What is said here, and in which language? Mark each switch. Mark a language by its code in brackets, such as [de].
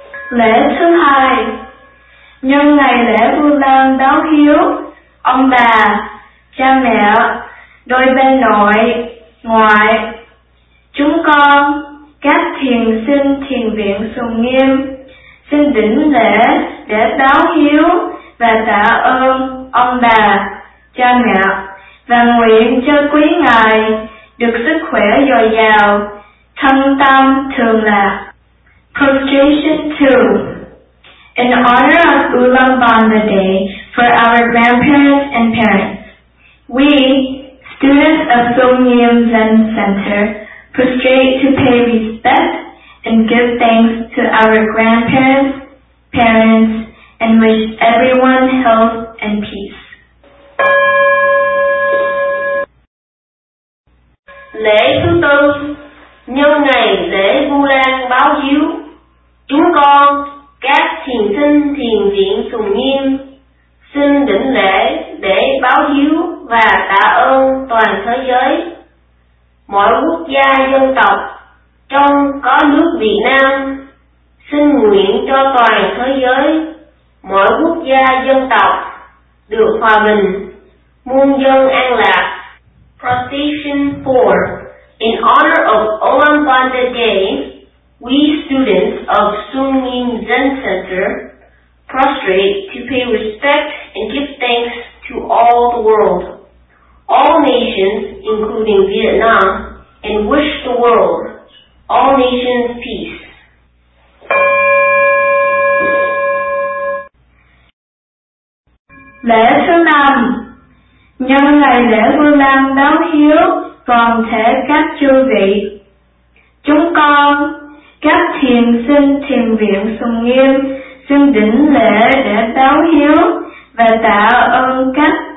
[vi] Lễ thứ hai, nhân ngày lễ Vu Lan báo hiếu, ông bà, cha mẹ, đôi bên nội, ngoại, chúng con, các thiền sinh thiền viện Sùng Nghiêm, xin đỉnh lễ để báo hiếu và tạ ơn ông bà, cha mẹ, và nguyện cho quý ngài được sức khỏe dồi dào, thân tâm thường lạc. [en] Prostration 2. In honor of Ulambana Day for our grandparents and parents, we, students of Sonyam Zen Center, prostrate to pay respect and give thanks to our grandparents, parents, and wish everyone health and peace. [vi] Lễ thứ tư, nhân ngày lễ Vu Lan báo hiếu, chúng con, các thiền sinh thiền viện Sùng Nghiêm, xin đỉnh lễ để báo hiếu và tạ ơn toàn thế giới, mọi quốc gia dân tộc, trong có nước Việt Nam, xin nguyện cho toàn thế giới, mọi quốc gia dân tộc, được hòa bình, muôn dân an lạc. [en] Procession 4. In honor of Ulambana Day, we students of Sunyin Zen Center prostrate to pay respect and give thanks to all the world, all nations including Vietnam, and wish the world, all nations peace. [vi] Lễ thứ năm, nhân ngày lễ Vu Lan báo hiếu toàn thể các chư vị, chúng con, Các thiền sinh thiền viện Sùng Nghiêm xin đỉnh lễ để báo hiếu và tạ ơn các